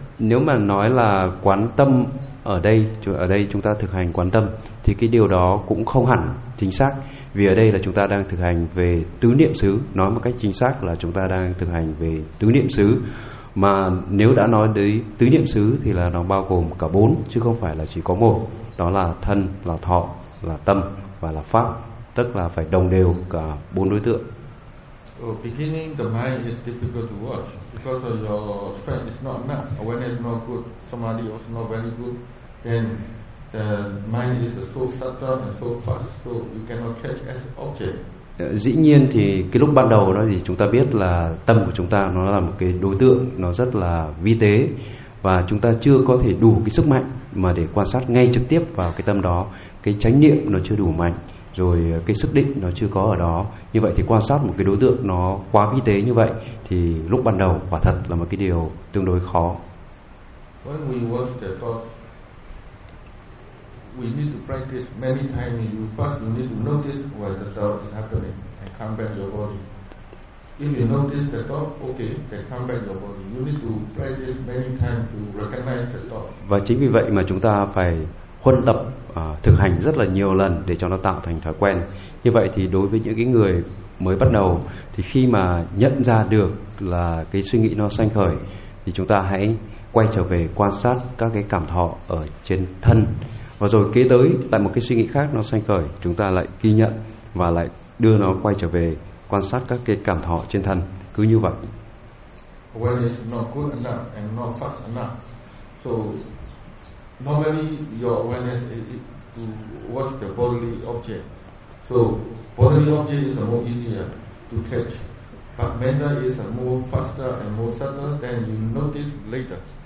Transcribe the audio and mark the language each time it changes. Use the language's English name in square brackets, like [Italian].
[Vietnamese] Nếu mà nói là quán tâm ở đây chúng ta thực hành quán tâm thì cái điều đó cũng không hẳn chính xác, vì ở đây là chúng ta đang thực hành về tứ niệm xứ. Nói một cách chính xác là chúng ta đang thực hành về tứ niệm xứ, mà nếu đã nói đến tứ niệm xứ thì là nó bao gồm cả bốn chứ không phải là chỉ có một, đó là thân, là thọ, là tâm và là pháp, tức là phải đồng đều cả bốn đối tượng. [English] So beginning the mind is difficult to watch because of your strength is not enough, awareness is not good, samadhi also not very good, then the mind is so subtle and so fast, so you cannot catch as object. [Vietnamese] Dĩ nhiên thì cái lúc ban đầu đó thì chúng ta biết là tâm của chúng ta nó là một cái đối tượng nó rất là vi tế, và chúng ta chưa có thể đủ cái sức mạnh mà để quan sát ngay trực tiếp vào cái tâm đó, cái chánh niệm nó chưa đủ mạnh, rồi cái sức định nó chưa có ở đó. Như vậy thì quan sát một cái đối tượng nó quá vi tế như vậy thì lúc ban đầu quả thật là một cái điều tương đối khó. [English] When we watch the thought, we need to practice many times. You first you need to notice where the thought is happening and come back your body. If you notice the thought, okay, then come back your body. You need to practice many times to recognize the thought. [Vietnamese] Và chính vì vậy mà chúng ta phải huân tập thực hành rất là nhiều lần để cho nó tạo thành thói quen. Như vậy thì đối với những cái người mới bắt đầu thì khi mà nhận ra được là cái suy nghĩ nó sanh khởi thì chúng ta hãy quay trở về quan sát các cái cảm thọ ở trên thân, và rồi kế tới lại một cái suy nghĩ khác nó sanh khởi, chúng ta lại ghi nhận và lại đưa nó quay trở về quan sát các cái cảm thọ trên thân, cứ như vậy. [English] Awareness not good enough and not fast enough. So normally your awareness is to watch the bodily object. So bodily object is more easier to catch, but mental is more faster and more subtle than you notice later.